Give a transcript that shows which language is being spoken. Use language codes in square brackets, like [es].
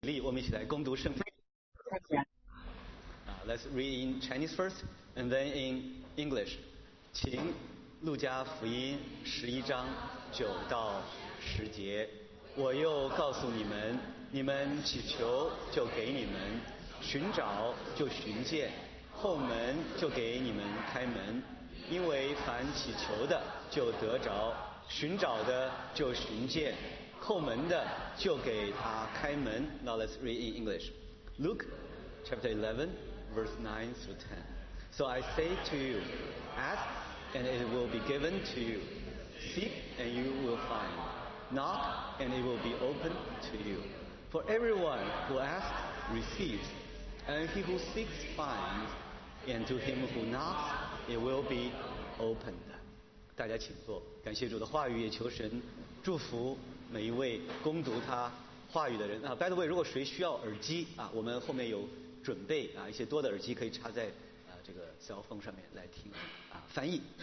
[zh] 立，我们一起来攻读圣经。 [en] Let's read in Chinese first, and then in English. [zh] 请路加福音十一章九到十节。我又告诉你们，你们祈求就给你们，寻找就寻见，叩门就给你们开门。因为凡祈求的就得着，寻找的就寻见，叩门的就给他开门。 [en] Now let's read in English. Luke chapter 11 verse 9 through 10. So I say to you, ask and it will be given to you. Seek and you will find. Knock and it will be opened to you. For everyone who asks receives, and he who seeks finds, and to him who knocks it will be opened. [zh] 大家请坐，感谢主的话语，也求神祝福每一位攻读他话语的人啊。 [en] By the way, [zh] 如果谁需要耳机啊，我们后面有准备啊一些多的耳机可以插在啊这个cell phone上面来听啊翻译。